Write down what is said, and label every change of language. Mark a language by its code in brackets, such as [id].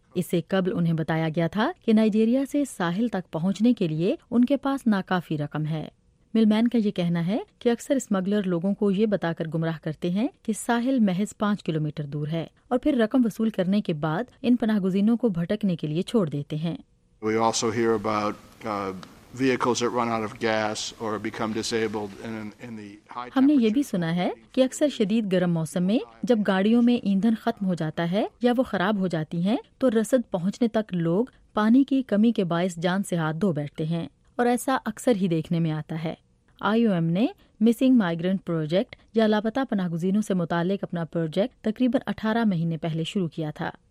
[ur] اس سے قبل انہیں بتایا گیا تھا کہ نائجیریا سے ساحل تک پہنچنے کے لیے ان کے پاس ناکافی رقم ہے. ملمین کا یہ کہنا ہے کہ اکثر اسمگلر لوگوں کو یہ بتا کر گمراہ کرتے ہیں کہ ساحل محض 5 کلومیٹر دور ہے اور پھر رقم وصول کرنے کے بعد ان پناہ گزینوں کو بھٹکنے کے لیے چھوڑ دیتے ہیں. [en] We also hear about vehicles that run out of gas or become disabled in the high. [ur] ہم نے یہ بھی سنا ہے کہ اکثر شدید گرم موسم میں جب گاڑیوں میں ایندھن ختم ہو جاتا ہے یا وہ خراب ہو جاتی ہیں تو رسد پہنچنے تک لوگ پانی کی کمی کے باعث جان سے ہاتھ دھو بیٹھتے ہیں اور ایسا اکثر ہی دیکھنے میں آتا ہے. آئی او ایم نے مسنگ مائیگرنٹ پروجیکٹ یا لاپتہ پناہ گزینوں سے متعلق اپنا پروجیکٹ تقریباً 18 مہینے پہلے شروع کیا تھا.